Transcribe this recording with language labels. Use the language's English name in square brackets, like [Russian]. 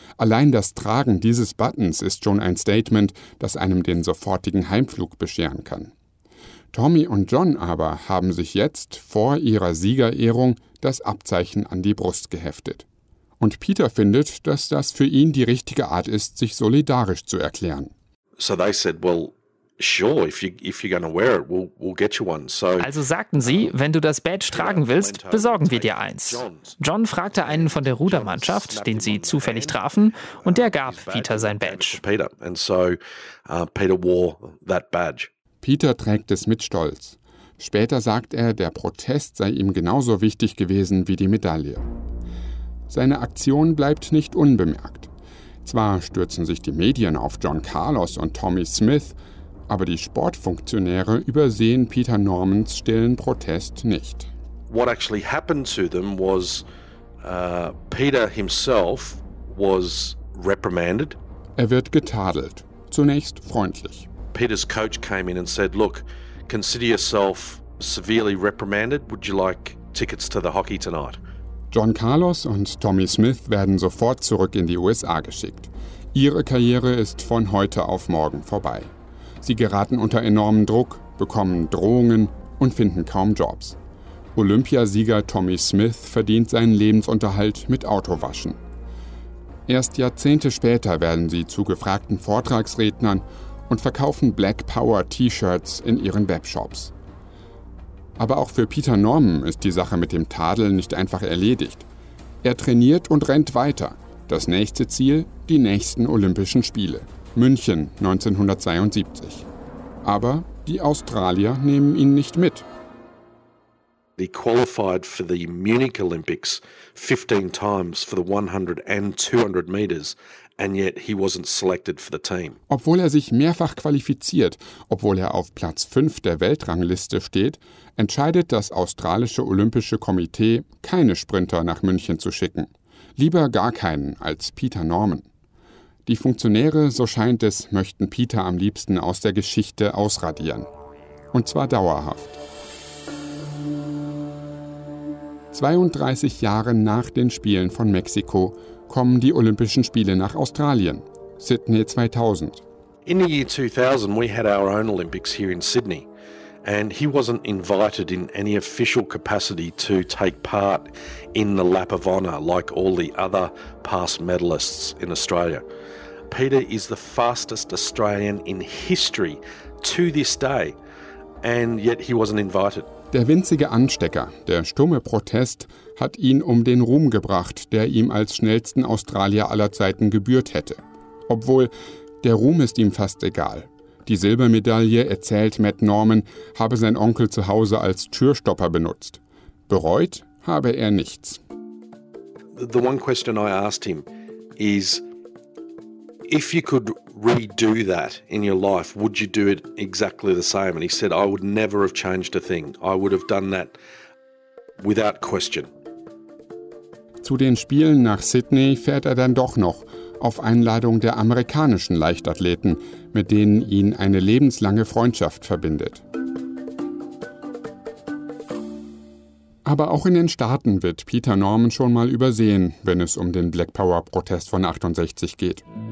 [German] Allein das Tragen dieses Buttons ist schon ein Statement, das einem den sofortigen Heimflug bescheren kann. Tommy und John aber haben sich jetzt vor ihrer Siegerehrung das Abzeichen an die Brust geheftet. Und Peter findet, dass das für ihn die richtige Art ist, sich solidarisch zu erklären. [English] So they said, well, sure, if you're gonna wear it, we'll get you one. So, [German] also sagten sie, wenn du das Badge tragen willst, besorgen wir dir eins. John fragte einen von der Rudermannschaft, den sie zufällig trafen, und der gab Peter sein Badge. [English] And so Peter wore that badge. [German] Peter trägt es mit Stolz. Später sagt er, der Protest sei ihm genauso wichtig gewesen wie die Medaille. Seine Aktion bleibt nicht unbemerkt. Zwar stürzen sich die Medien auf John Carlos und Tommy Smith, aber die Sportfunktionäre übersehen Peter Normans stillen Protest nicht. [English] What actually happened to them was Peter himself was reprimanded. [German] Er wird getadelt, zunächst freundlich. [English] Peter's coach came in and said, look, consider yourself severely reprimanded. Would you like tickets to the hockey tonight? [German] John Carlos und Tommy Smith werden sofort zurück in die USA geschickt. Ihre Karriere ist von heute auf morgen vorbei. Sie geraten unter enormen Druck, bekommen Drohungen und finden kaum Jobs. Olympiasieger Tommy Smith verdient seinen Lebensunterhalt mit Autowaschen. Erst Jahrzehnte später werden sie zu gefragten Vortragsrednern und verkaufen Black Power T-Shirts in ihren Webshops. Aber auch für Peter Norman ist die Sache mit dem Tadel nicht einfach erledigt. Er trainiert und rennt weiter. Das nächste Ziel, die nächsten Olympischen Spiele. München 1972. Aber die Australier nehmen ihn nicht mit. [English] He qualified for the Munich Olympics 15 times for the 100 and 200 meters, and yet he wasn't selected for the team. [German] Obwohl er sich mehrfach qualifiziert, obwohl er auf Platz 5 der Weltrangliste steht, entscheidet das australische Olympische Komitee, keine Sprinter nach München zu schicken. Lieber gar keinen als Peter Norman. Die Funktionäre, so scheint es, möchten Peter am liebsten aus der Geschichte ausradieren. Und zwar dauerhaft. 32 Jahre nach den Spielen von Mexiko kommen die Olympischen Spiele nach Australien, Sydney 2000. [English] In the year 2000 we had our own Olympics here in Sydney and he wasn't invited in any official capacity to take part in the lap of honor like all the other past medalists in Australia. Peter is the fastest Australian in history to this day and yet he wasn't invited. [German] Der winzige Anstecker, der stumme Protest, hat ihn um den Ruhm gebracht, der ihm als schnellsten Australier aller Zeiten gebührt hätte. Obwohl, der Ruhm ist ihm fast egal. Die Silbermedaille, erzählt Matt Norman, habe sein Onkel zu Hause als Türstopper benutzt. Bereut habe er nichts. [English] The one question I asked him is, if you could redo that in your life, would you do it exactly the same? And he said, I would never have changed a thing. I would have done that without question. [German] Zu den Spielen nach Sydney fährt er dann doch noch, auf Einladung der amerikanischen Leichtathleten, mit denen ihn eine lebenslange Freundschaft verbindet. Aber auch in den Staaten wird Peter Norman schon mal übersehen, wenn es um den Black Power Protest von 68 geht.